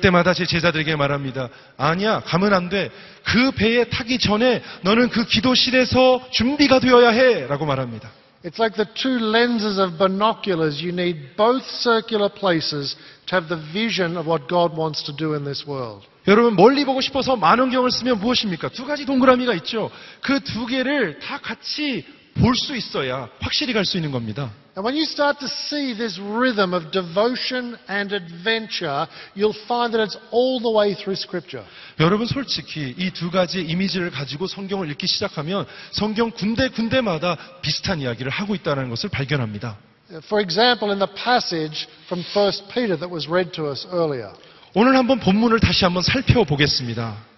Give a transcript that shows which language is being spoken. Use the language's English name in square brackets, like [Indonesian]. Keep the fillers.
[Korean] 때마다 제 제자들에게 말합니다. 아니야, 가면 안 돼. 그 배에 타기 전에 너는 그 기도실에서 준비가 되어야 해라고 말합니다. [English] It's like the two lenses of binoculars. You need both circular places to have the vision of what God wants to do in this world. [Korean] 여러분 멀리 보고 싶어서 만원경을 쓰면 무엇입니까? 두 가지 동그라미가 있죠. 그 두 개를 다 같이 볼수 있어야 확실히 갈 수 있는 겁니다. [English] And when you start to see this rhythm of devotion and adventure, you'll find that it's all the way through scripture. [Korean] 여러분 솔직히 이 두 가지 이미지를 가지고 성경을 읽기 시작하면 성경 군데 군데마다 비슷한 이야기를 하고 있다는 것을 발견합니다. [English] For example, in the passage from 1 Peter that was read to us earlier. [Korean] 오늘 한번 본문을 다시 한번 살펴보겠습니다.